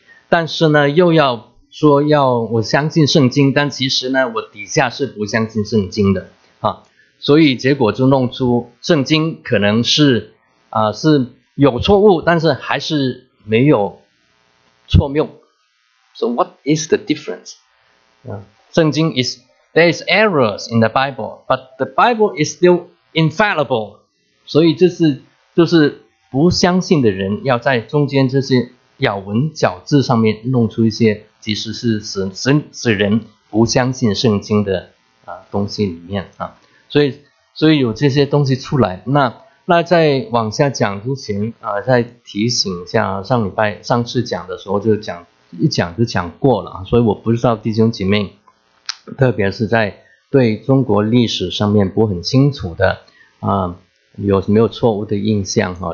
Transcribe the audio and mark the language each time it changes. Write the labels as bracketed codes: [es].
[zh] 但是呢，又要说要我相信圣经，但其实呢，我底下是不相信圣经的啊。所以结果就弄出圣经可能是是有错误，但是还是没有错谬。 [en] So what is the difference？ 圣经 is。 There is errors in the Bible, but the Bible is still infallible. [zh] 所以就是不相信的人要在中间这些咬文嚼字上面弄出一些其实是使人不相信圣经的东西里面啊。所以有这些东西出来，那在往下讲之前再提醒一下，上次讲的时候就讲过了，所以我不知道弟兄姐妹，特别是在对中国历史上面不很清楚的有没有错误的印象啊。